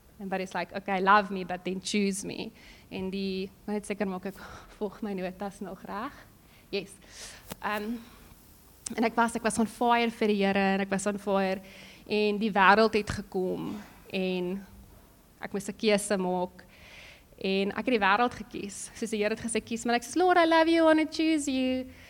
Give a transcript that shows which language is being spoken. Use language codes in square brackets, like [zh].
[en] And but it's like, okay, love me, but then choose me. [af] En die, net seker maak ek, volg my notas nog graag. [en] Yes. [af] En ek was on fire vir die Here, en ek was on fire, en die wêreld het gekom, en ek moes 'n keuse maak, en ek het die wêreld gekies, soos die Here het gesê, kies, maar ek sê, [en] Lord, I love you, I want to choose you.